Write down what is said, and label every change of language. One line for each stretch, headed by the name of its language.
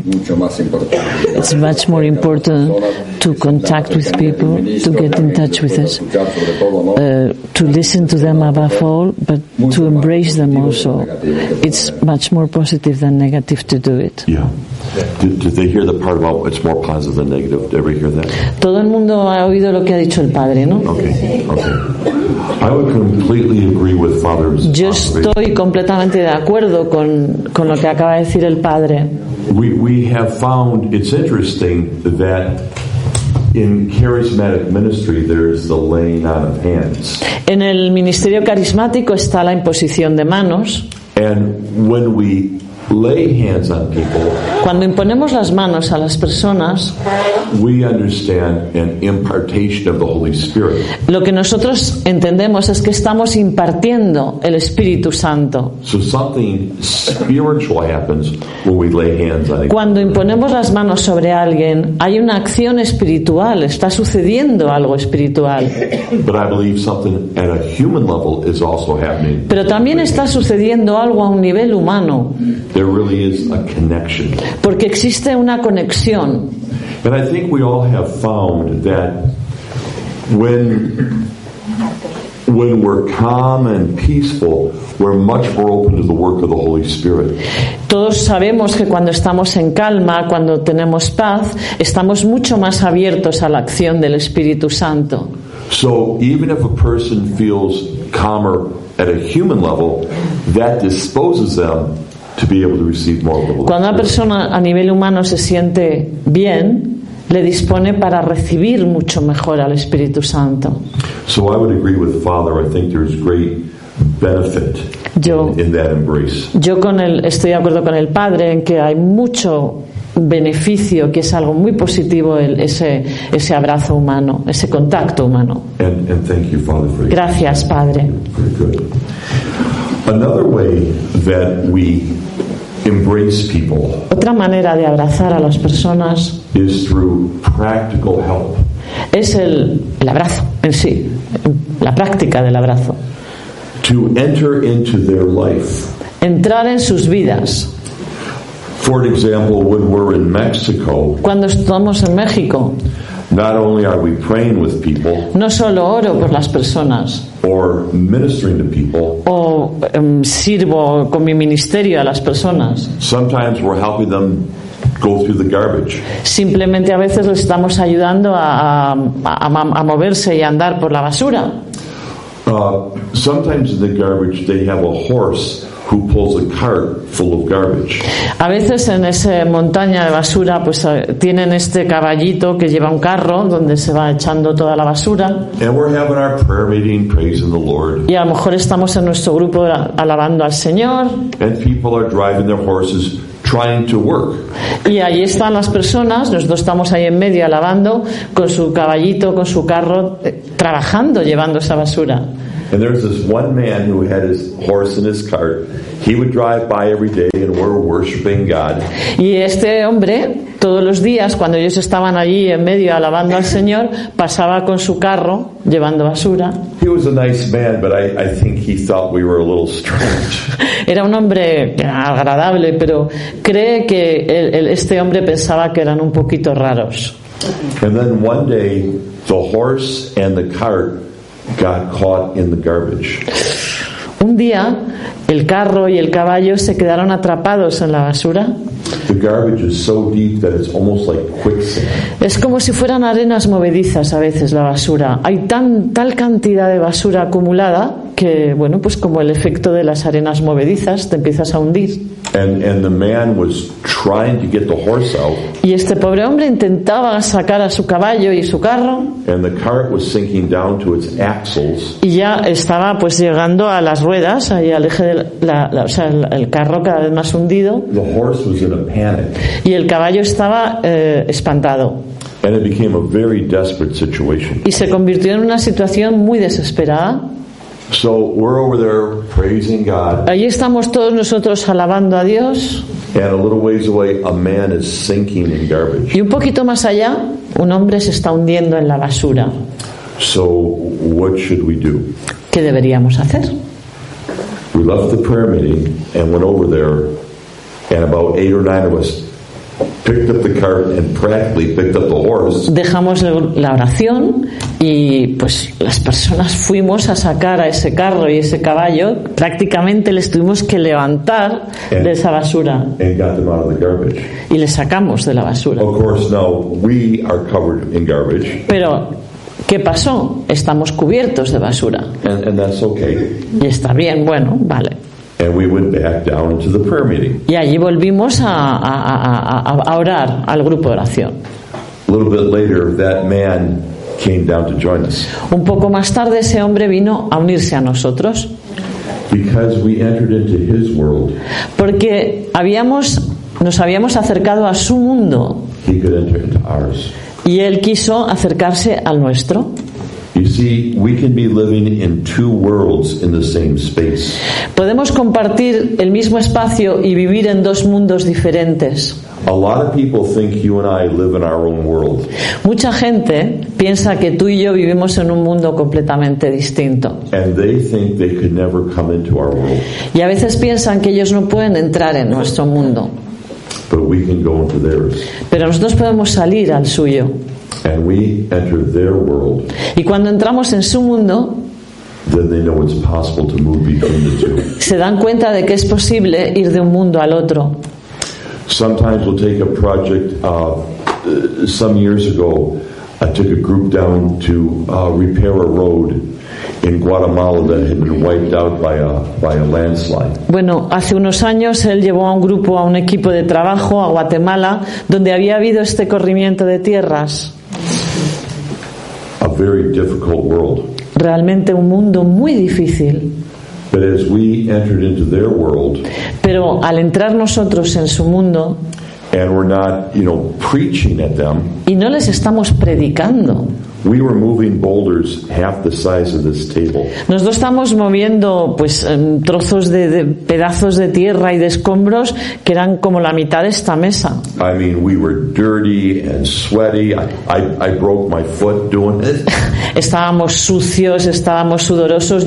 English: It's much more important to contact with people, to get in touch with us, to listen to them above all, but to embrace them also. It's much more positive than negative to do it. Yeah. Did they hear the part about it's more positive than negative? Did everybody hear that?
Spanish: Todo el mundo ha oído lo que ha dicho el padre, ¿no?
English: Okay. I would completely agree with Father's.
Spanish: Yo estoy completamente de acuerdo con lo que acaba de decir el padre.
English: We have found it's interesting that in charismatic ministry there is the laying on of hands.
Spanish: En el ministerio carismático está la imposición de manos.
English: And when we lay hands on people,
Spanish: cuando imponemos las manos a las personas,
English: we understand an impartation of the Holy Spirit.
Spanish: Lo que nosotros entendemos es que estamos impartiendo el Espíritu Santo.
English: So something spiritual happens when we lay hands on people.
Spanish: Cuando imponemos las manos sobre alguien, hay una acción espiritual, está sucediendo algo espiritual.
English: But I believe something at a human level is also happening.
Spanish: Pero también está sucediendo algo a un nivel humano.
English: There really is a connection.
Spanish: Porque existe una conexión.
English: And I think we all have found that when we're calm and peaceful, we're much more open to the work of the Holy Spirit.
Spanish: Todos sabemos que cuando estamos en calma, cuando tenemos paz, estamos mucho más abiertos a la acción del Espíritu Santo.
English: So even if a person feels calmer at a human level, that disposes them to be able to receive more of the Holy
Spanish: Cuando una persona a nivel humano se siente bien, le dispone para recibir mucho mejor al Espíritu Santo.
English: So I would agree with Father. I think there's great benefit in that embrace.
Spanish: Yo con el estoy de acuerdo con el Padre en que hay mucho beneficio, que es algo muy positivo ese abrazo humano, ese contacto humano.
English: And thank you, Father, for
Spanish: Gracias, Padre.
English: Another way that we embrace people.
Spanish: Otra manera de abrazar a las personas
English: is through practical help.
Spanish: Es el abrazo en sí, la práctica del abrazo.
English: To enter into their life.
Spanish: Entrar en sus vidas.
English: For example, when we're in Mexico.
Spanish: Cuando estamos en México.
English: Not only are we praying with people.
Spanish: No solo oro por las personas.
English: Or ministering to people.
Spanish: O sirvo con mi ministerio a las personas.
English: Sometimes we're helping them go through the garbage.
Spanish: Simplemente a veces les estamos ayudando a moverse y a andar por la basura.
English: Sometimes in the garbage they have a horse who pulls a cart full of garbage.
Spanish: A veces en esa montaña de basura pues tienen este caballito que lleva un carro donde se va echando toda la basura.
English: And we're having our prayer meeting praising the Lord.
Spanish: Y a lo mejor estamos en nuestro grupo alabando al Señor.
English: And people are driving their horses trying to work.
Spanish: Y ahí están las personas, nosotros estamos ahí en medio alabando con su caballito, con su carro, trabajando, llevando esa basura.
English: And there's this one man who had his horse in his cart. He would drive by every day and we're worshiping God.
Spanish: Y este hombre, todos los días, cuando ellos estaban allí en medio alabando al Señor, pasaba con su carro, llevando basura.
English: He was a nice man, but I think he thought we were a little strange.
Spanish: Era un hombre agradable, pero cree que este hombre pensaba que eran un poquito raros.
English: And then one day, the horse and the cart got caught in the garbage.
Spanish: Un día, el carro y el caballo se quedaron atrapados en la basura.
English: The garbage is so deep that it's almost like quicksand.
Spanish: Es como si fueran arenas movedizas a veces la basura. Hay tal cantidad de basura acumulada que, bueno, pues como el efecto de las arenas movedizas, te empiezas a hundir.
English: And the man was trying to get the horse out.
Spanish: Y este pobre hombre intentaba sacar a su caballo y su carro.
English: And the cart was sinking down to its axles.
Spanish: Y ya estaba pues llegando a las ruedas, ahí al eje de el carro cada vez más hundido.
English: The horse was in a panic.
Spanish: Y el caballo estaba espantado.
English: And it became a very desperate situation.
Spanish: Y se convirtió en una situación muy desesperada.
English: So we're over there praising God.
Spanish: Allí estamos todos nosotros alabando a Dios.
English: And a little ways away, a man is sinking in garbage.
Spanish: Y un poquito más allá, un hombre se está hundiendo en la basura.
English: So what should we do?
Spanish: ¿Qué deberíamos hacer?
English: We left the prayer meeting and went over there, and about 8 or 9 of us picked up the cart and practically picked up the horse.
Spanish: Dejamos la oración y pues las personas fuimos a sacar a ese carro y ese caballo, prácticamente les tuvimos que levantar de esa basura.
English: And got them out of the garbage.
Spanish: Y les sacamos de la basura.
English: Of course, now we are covered in garbage.
Spanish: Pero ¿qué pasó? Estamos cubiertos de basura.
English: And that's okay.
Spanish: Y está bien, bueno, vale.
English: And we went back down to the prayer meeting.
Spanish: Y allí volvimos a orar al grupo de oración.
English: A little bit later, that man came down to join us.
Spanish: Un poco más tarde, ese hombre vino a unirse a nosotros.
English: Because we entered into his world.
Spanish: Porque nos habíamos acercado a su mundo.
English: He could enter into ours.
Spanish: Y él quiso acercarse al nuestro.
English: You see, we can be living in two worlds in the same space.
Spanish: Podemos compartir el mismo espacio y vivir en dos mundos diferentes.
English: A lot of people think you and I live in our own world.
Spanish: Mucha gente piensa que tú y yo vivimos en un mundo completamente distinto.
English: And they think they could never come into our world.
Spanish: Y a veces piensan que ellos no pueden entrar en nuestro mundo.
English: But we can go into theirs.
Spanish: Pero nosotros podemos salir al suyo.
English: And we enter their world.
Spanish: Y cuando entramos en su mundo,
English: then they know it's possible to move between the two.
Spanish: Se dan cuenta de que es posible ir de un mundo al otro.
English: Sometimes we'll take a project. Some years ago, I took a group down to repair a road in Guatemala that had been wiped out by a landslide.
Spanish: Bueno, hace unos años él llevó a un grupo, a un equipo de trabajo a Guatemala, donde había habido este corrimiento de tierras.
English: A very difficult world.
Spanish: Realmente un mundo muy difícil.
English: But as we entered into their world,
Spanish: pero al entrar nosotros en su mundo,
English: and we're not, you know, preaching at them,
Spanish: y no les estamos predicando,
English: we were moving boulders half the size of this table.
Spanish: Nosotros estamos moviendo pues trozos de pedazos de tierra y de escombros que eran como la mitad de esta mesa.
English: I mean, we were dirty and sweaty. I broke my foot doing it.
Spanish: Estábamos sucios, estábamos sudorosos.